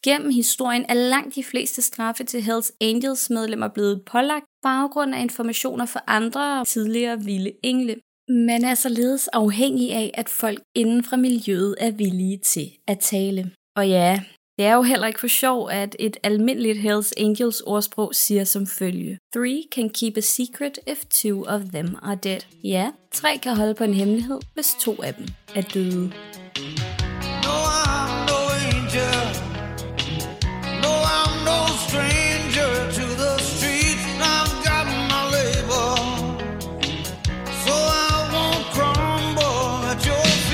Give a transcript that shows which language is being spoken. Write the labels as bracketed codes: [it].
[da] Gennem historien er langt de fleste straffe til Hells Angels medlemmer blevet pålagt, baggrund af informationer fra andre og tidligere vilde engle. Man er således afhængig af, at folk inden fra miljøet er villige til at tale. Og ja, det er jo heller ikke for sjov, at et almindeligt Hells Angels ordsprog siger som følge. [en] Three can keep a secret if two of them are dead. [da] Ja, tre kan holde på en hemmelighed, hvis to af dem er døde. [en] No, I'm no angel. No, I'm no stranger to the street. I've got my label. So I won't crumble at your.